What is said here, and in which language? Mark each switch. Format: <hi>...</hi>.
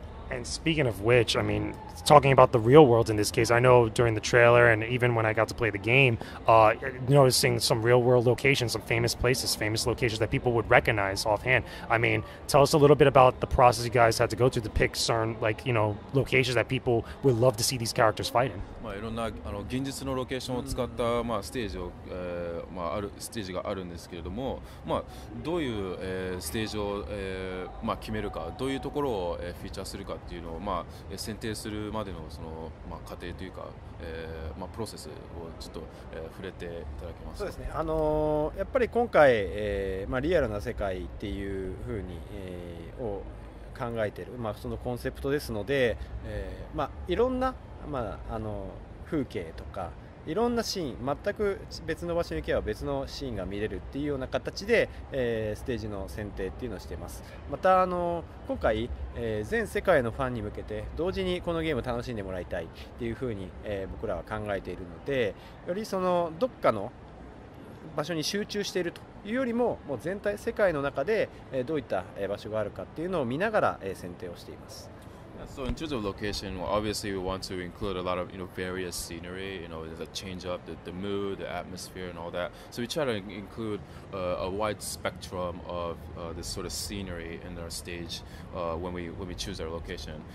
<en>And speaking of which, I mean, talking about the real world in this case, I know during the trailer and even when I got to play the game, noticing some real world locations, some famous places, famous locations that people would recognize offhand. I mean, tell us a little bit about the process you guys had to go through to pick certain, like, locations that people would love to see these characters fight in.</en> <ja>まあ、いろんな現実のロケーションを使った、まあ、ステージを、まあ、あるステージがあるんですけれども、まあ、どういう、ステージを、まあ、決めるか、どういうところを、フィーチャーするかっていうのを、まあ、選定するまでの、その、まあ、過程というか、まあ、プロセスをちょっと、触れていただけますか。そうですね、やっぱり今回、まあ、リアルな世界っていうふうに、を考えている、まあ、そのコンセプトですので、まあ、いろんなまあ、風景とかいろんなシーン、全く別の場所に行けば別のシーンが見れるっていうような形で、ステージの選定っていうのをしています。また今回、全世界のファンに向けて同時にこのゲームを楽しんでもらいたいっていうふうに、僕らは考えているので、よりそのどっかの場所に集中しているというより もう全体世界の中で、どういった場所があるかっていうのを見ながら、選定をしています。</ja> <en>So in terms of location, obviously we want to include a lot of various scenery, the change up, the mood, the atmosphere and all that. So we try to include a wide spectrum of this sort of scenery in our stage when we choose our location.</en>